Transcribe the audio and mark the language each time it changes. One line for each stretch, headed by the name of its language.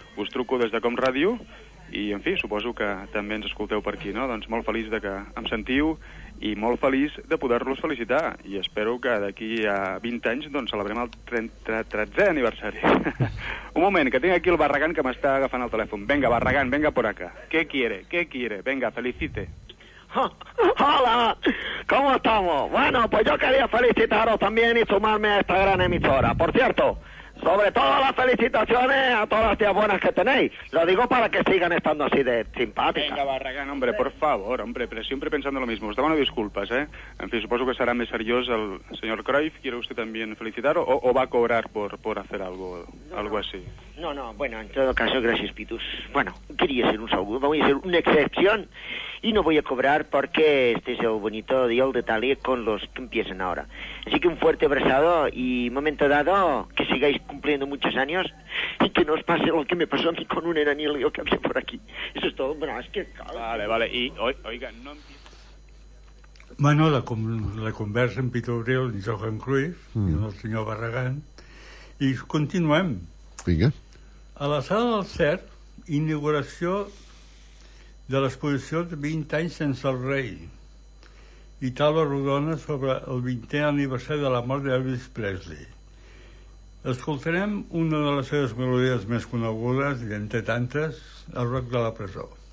Catalan: Us truco des de Com Ràdio i, en fi, suposo que també ens escolteu per aquí, no? Doncs molt feliç de que em sentiu i molt feliç de poder-los felicitar. I espero que d'aquí a 20 anys doncs celebrem el 13è aniversari. Un moment, que tinc aquí el Barragán que m'està agafant el telèfon.
Spanish: Venga, Barragán, venga por acá. ¿Qué quiere? ¿Qué quiere? Venga, felicite. Hola, ¿cómo estamos? Bueno, pues yo quería felicitaros también y sumarme a esta gran emisora. Por cierto, sobre todo las felicitaciones a todas las tías buenas que tenéis. Lo digo para que sigan estando así de simpáticas. Venga, Barragán, hombre, por favor, hombre, pero siempre pensando lo mismo. Os demano disculpas, ¿eh? En fin, supongo que será más serioso el señor Cruyff. ¿Quiere usted también felicitar o va a cobrar por hacer algo, no, algo así? No, no, bueno, en todo caso, gracias, Pitus. Bueno, quería ser un saludo, voy a ser una excepción. Y no voy a cobrar porque este es el bonito deal de Talí con los que empiezan ahora. Así que un fuerte abrazado y momento dado, que sigáis cumpliendo muchos años y que no os pase lo que me pasó a mí con un enanilio que había por aquí. Eso es todo. Bueno, es que... Vale, vale. Y oiga, no...
Catalan: Bueno, la conversa en Pitu Abril y Johan Cruyff y el señor Barragán. Y continuem. Vinga. A la sala del CER, inauguració de l'exposició de 20 anys sense el rei i taula rodona sobre el 20è aniversari de la mort d'Elvis Presley. Escoltarem una de les seves melodies més conegudes i entre tantes, el rock de la presó.